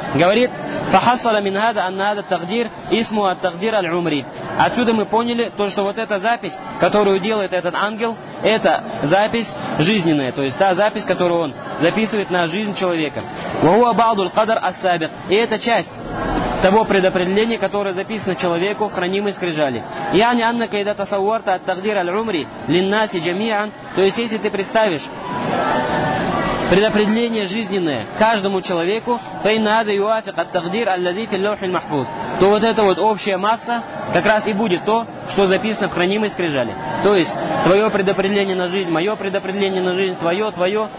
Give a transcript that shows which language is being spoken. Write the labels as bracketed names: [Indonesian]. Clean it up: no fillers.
[Russian] Говорит, [Arabic] فَحَصَّلَ مِنْ هَذَا أَنَّ هَذَا التَّقْدِيرِ اسْمُ التَّقْدِيرَ الْعُمْرِ. [Russian] Отсюда мы поняли то, что вот эта запись, которую делает этот ангел, это запись жизненная, то есть та запись, которую он записывает на жизнь человека. [Arabic] وَهُوَ بَعْضُ الْقَدَرْ أَسَّابِقْ. [Russian] И это часть того предопределения, которое записано человеку в хранимой скрижали. [Arabic] يعني أنك إذا تصورت التقدير العمري للناس جميعا. [Russian] То есть если ты представишь предопределение жизненное каждому человеку, [Arabic] فَإِنَّ هَذَا يُوَافِقَ التَّقْدِيرَ الَّذِي فِي اللَّوْحِ الْمَحْفُوظِ, [Russian] то вот эта вот общая масса как раз и будет то, что записано в хранимой скрижали. То есть, твое предопределение на жизнь, мое предопределение на жизнь, твое, твое.